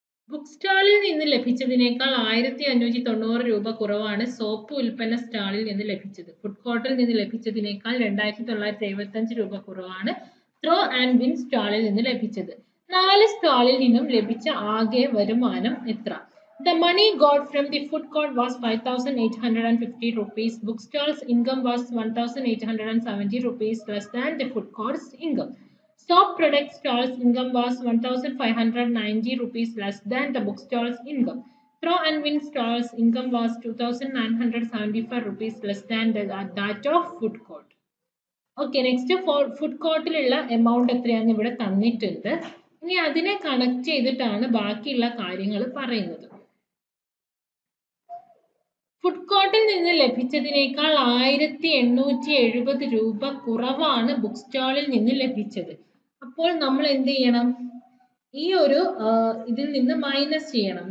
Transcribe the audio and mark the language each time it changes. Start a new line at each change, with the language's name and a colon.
Malayalam: Book സ്റ്റാളിൽ നിന്ന് ലഭിച്ചതിനേക്കാൾ 1,590 രൂപ കുറവാണ് സോപ്പ് ഉൽപ്പന്ന സ്റ്റാളിൽ നിന്ന് ലഭിച്ചത്. ഫുഡ് കോർട്ടിൽ നിന്ന് ലഭിച്ചതിനേക്കാൾ 2,975 രൂപ കുറവാണ് ത്രോ ആൻഡ് വിൻ സ്റ്റാളിൽ നിന്ന് ലഭിച്ചത്. 4 സ്റ്റാളിൽ നിന്നും ലഭിച്ച ആകെ വരുമാനം എത്ര?
English: The money got from the food court was 5,850 rupees. Book stall's income was 1,870 rupees less than the food court's income. Soap product stall's income was 1,590 rupees less than the book stall's income. Throw and win stall's income was 2,975 rupees less than that of food court. Okay, next for food court ഉള്ള amount
Malayalam: എത്രയാണ് ഇവിടെ തന്നിട്ടുണ്ട്. ഇനി അതിനെ connect ചെയ്തിട്ടാണ് ബാക്കിയുള്ള കാര്യങ്ങൾ പറയുന്നത്. ഫുഡ് കോർട്ടിൽ നിന്ന് ലഭിച്ചതിനേക്കാൾ 1,870 രൂപ കുറവാണ് ബുക്ക് സ്റ്റാളിൽ നിന്ന് ലഭിച്ചത്. അപ്പോൾ നമ്മൾ എന്ത് ചെയ്യണം? ഈ ഒരു ഇതിൽ നിന്ന് മൈനസ് ചെയ്യണം.